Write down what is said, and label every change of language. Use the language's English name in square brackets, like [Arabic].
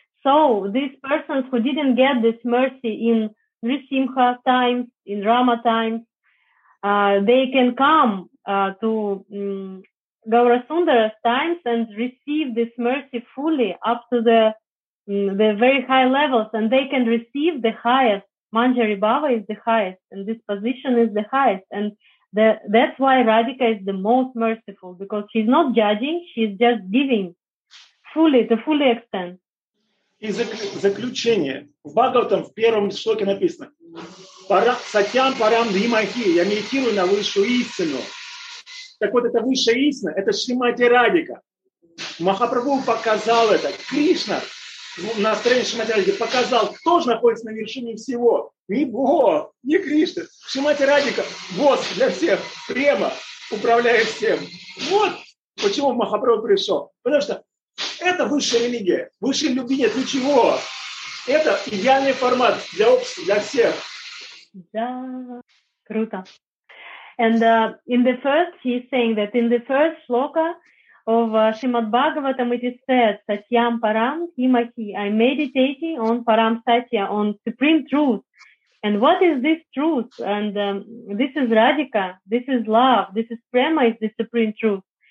[English] So these persons who didn't get this mercy in Nrisimha times, in Rama times, they can come to Gaurasundara's times and receive this mercy fully up to the very high levels, and they can receive the highest. Manjari Bhava is the highest, and this position is the highest. And that's why Radhika is the most merciful, because she's not judging, she's just giving fully, to fully extent. [Russian] И заключение. В Бхагаватам в первом шлоке написано: [Sanskrit] «Сатьям парам дхимахи, [Russian] я медитирую на высшую истину». Так вот, это высшая истина, это Шримати Радхика. Махапрабху показал это. Кришна на стороне Шримати Радхики показал, кто же находится на вершине всего. Не Бог, не Кришна. Шримати Радхика, босс для всех, према, управляет всем. Вот почему Махапрабху пришел. Потому что это высшая религия. Высшей любви нет ничего. Это идеальный формат для общества, для всех. Да, круто. [English] And in the first, he's saying that in the first shloka of Srimad Bhagavatam, it is said, [Sanskrit] Satyam Param Himahi, [English] I'm meditating on Param Satya, on Supreme Truth. And what is this truth? And this is Radhika, this is love, this is Prema, is the Supreme Truth.